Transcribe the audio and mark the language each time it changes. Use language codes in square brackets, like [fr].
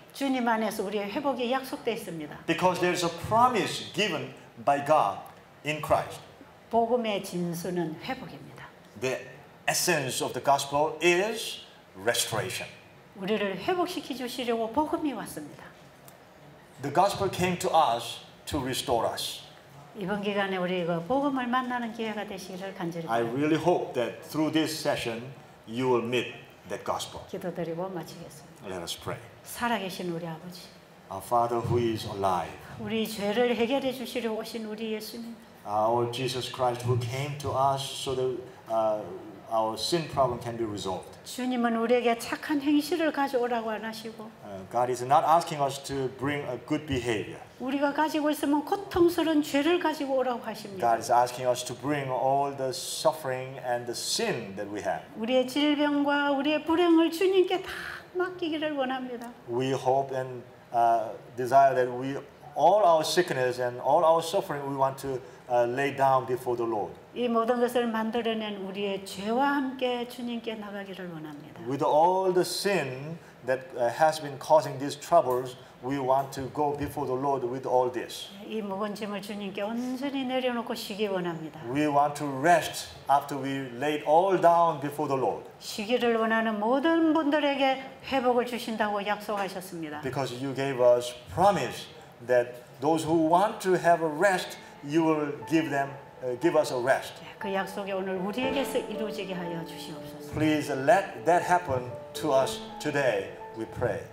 [ko] 주님 안에서 우리의 회복이 약속되어 있습니다. [en] Because there is a promise given by God in Christ. [ko] 복음의 진수는 회복입니다. [en] The essence of the gospel is restoration. [ko] 우리를 회복시키 주시려고 복음이 왔습니다. [en] The gospel came to us to restore us. [ko] 이번 기간에 우리 이거 복음을 만나는 기회가 되시기를 간절히 바랍니다. [en] I really hope that through this session you will meet that gospel. [ko] 기도드리고 마치겠습니다. [en] Let us pray. [ko] 살아계신 우리 아버지. [en] Our Father who is alive. [ko] 우리 죄를 해결해 주시려 오신 우리 예수님. [en] Our Jesus Christ who came to us so that our sin problem can be resolved. [ko] 주님은 우리에게 착한 행실을 가져오라고 안 하시고. [en] God is not asking us to bring a good behavior. [ko] 우리가 가지고 있으면 고통스러운 죄를 가지고 오라고 하십니다. [en] God is asking us to bring all the suffering and the sin that we have. [ko] 우리의 질병과 우리의 불행을 주님께 다 맡기기를 원합니다. [en] We hope and desire that we all our sickness and all our suffering we want to lay down before the Lord. [ko] 이 모든 것을 만들어낸 우리의 죄와 함께 주님께 나가기를 원합니다. [en] With all the sin that has been causing these troubles, we want to go before the Lord with all this. [ko] 이 무거운 짐을 주님께 온전히 내려놓고 쉬기 원합니다. [en] We want to rest after we laid all down before the Lord. [ko] 쉬기를 원하는 모든 분들에게 회복을 주신다고 약속하셨습니다. [en] Because you gave us promise that those who want to have a rest, you will give them, give us a rest. [ko] 그 약속이 오늘 우리에게서 이루어지게 하여 주시옵소서. [en] Please let that happen to us today. We pray.